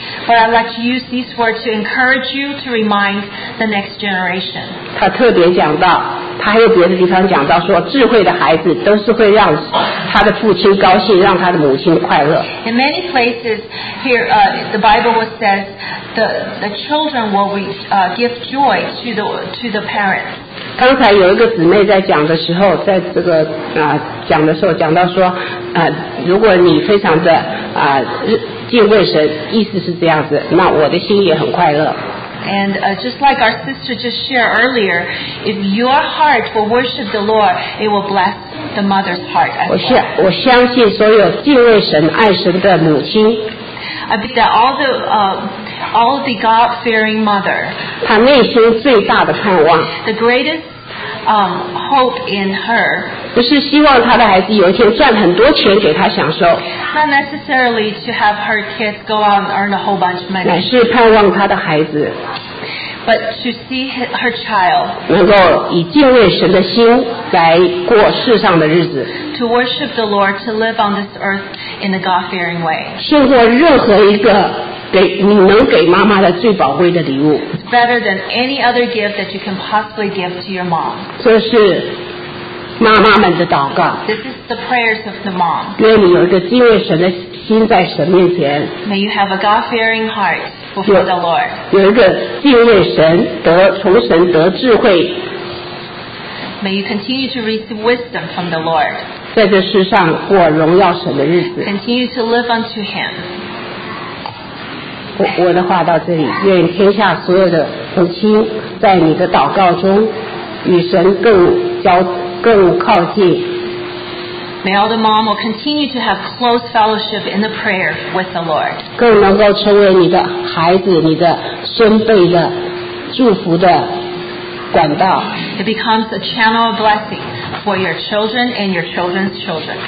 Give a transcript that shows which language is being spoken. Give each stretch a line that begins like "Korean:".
English: But I'd like to use these words to encourage you to remind the next generation.
Chinese: 他特别讲到，他还有别的地方讲到说，智慧的孩子都是会让他的父亲高兴，让他的母亲快乐。
English: In many places here, the Bible says the children will give joy to the parents.
Chinese: 刚才有一个姊妹在讲的时候，在这个讲的时候讲到说，如果你非常的敬畏神，意思是这样子，那我的心也很快乐。
English: And just like our sister just shared earlier, if your heart will worship the Lord, it will bless the mother's heart as well.
Chinese: 我相信所有敬畏神、爱神的母亲。
English: I believe that all the God-fearing mother,
Chinese: 她内心最大的盼望。
English: The greatest hope in her.
Chinese: 不是希望她的孩子有一天赚很多钱给她享受。
English: Not necessarily to have her kids go out and earn a whole bunch of money.
Chinese: 乃是盼望她的孩子。
English: But to see her child.
Chinese: 能够以敬畏神的心来过世上的日子。
English: To worship the Lord, to live on this earth in a God-fearing way.
Chinese: 胜过任何一个你能给妈妈的最宝贵的礼物。
English: Better than any other gift that you can possibly give to your mom.
Chinese: 这是妈妈们的祷告。
English: This is the prayers of the mom.
Chinese: 愿你有一个敬畏神的心在神面前。
English: May you have a God-fearing heart before the Lord.
Chinese: 有一个敬畏神得从神得智慧。
English: May you continue to receive wisdom from the Lord.
Chinese: 在这世上过荣耀神的日子。
English: Continue to live unto Him.
Chinese: 我的话到这里，愿天下所有的母亲在你的祷告中与神更靠近。
English: May all the mom will continue to have close fellowship in the prayer with the Lord.
Chinese: 更能够成为你的孩子、你的孙辈的祝福的管道。
English: It becomes a channel of blessing for your children and your children's children.